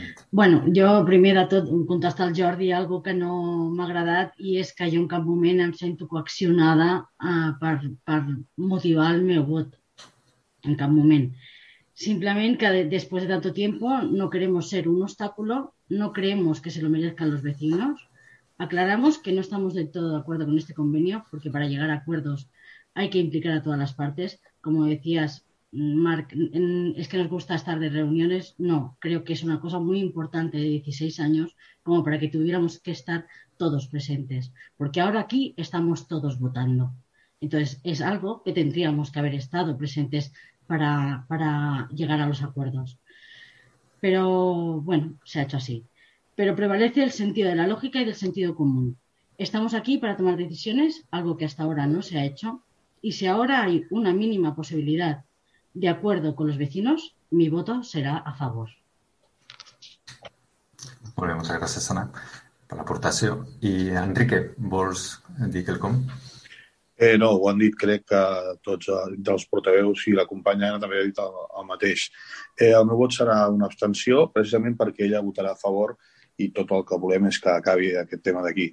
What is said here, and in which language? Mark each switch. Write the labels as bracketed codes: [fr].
[ca] Bueno, jo primer de tot contestar al Jordi algo que no m'ha agradat i és que jo en cap moment em sento coaccionada per motivar el meu vot. En cap moment. [es] Simplement que després de tanto tiempo no queremos ser un obstáculo, no creemos que se lo merezcan los vecinos. Aclaramos que no estamos del todo de acuerdo con este convenio porque para llegar a acuerdos hay que implicar a todas las partes. Como decías, Marc, es que nos gusta estar de reuniones. No, creo que es una cosa muy importante de 16 años como para que tuviéramos que estar todos presentes. Porque ahora aquí estamos todos votando. Entonces, es algo que tendríamos que haber estado presentes para llegar a los acuerdos. Pero, bueno, se ha hecho así. Pero prevalece el sentido de la lógica y del sentido común. Estamos aquí para tomar decisiones, algo que hasta ahora no se ha hecho. Y si ahora hay una mínima posibilidad de acuerdo con los vecinos, mi voto será a favor. [ca] Molt bé, moltes gràcies, Anna, per l'aportació. I, Enrique, vols dir quelcom? No, ho han dit, crec que tots els portaveus i la companya Anna també ha dit el mateix. El meu vot serà una abstenció, precisament perquè ella votarà a favor i tot el que volem és que acabi aquest tema d'aquí.